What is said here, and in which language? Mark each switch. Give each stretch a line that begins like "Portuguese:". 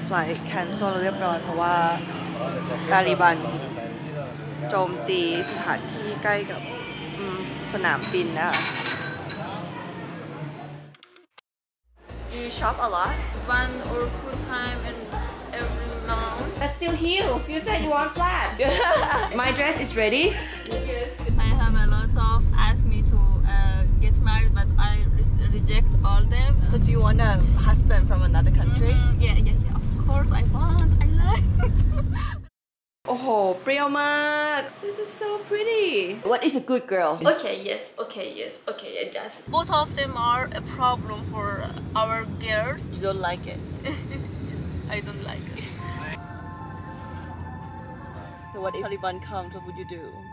English: flight cancel
Thai: เรียบร้อยเพราะว่าตาลีบันโจมตีสถานที่ใกล้กับสนามบินนะคะ
English: Do you shop a lot? One or two times in every month? That's still heels. You said you want flat. My dress is ready. Yes. I have a lot of ask me to get married, but I reject all them. So do you want a husband from another country? Mm-hmm. Yeah, yeah, yeah. Of course I want. I like.
Thai: โอ้โหเปรี้ยวมาก
English: This is so pretty What is a good girl Okay yes Okay yes Okay yeah, just Both of them are a problem for our girls You don't like it I don't like it So what if Taliban comes What would you do